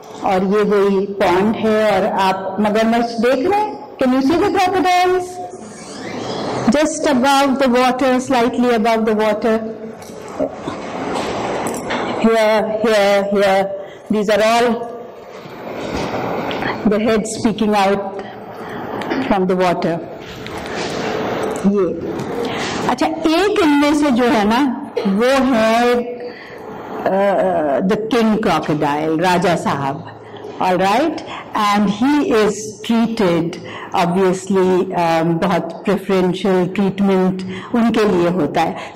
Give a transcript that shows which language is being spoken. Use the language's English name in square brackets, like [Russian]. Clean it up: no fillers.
[Hindi] और ये वही पॉइंट है, और आप मगरमच्छ देख रहे हैं, [English] Can you see the crocodiles just about the water, slightly about the water, here here here, these are all the head speaking out from the water. [Hindi] ये अच्छा एक इनमें से जो है ना वो है [English] the king crocodile, [Hindi] Raja Sahab. [English] All right, and he is treated obviously बहुत preferential treatment [Hindi] उनके लिए होता है.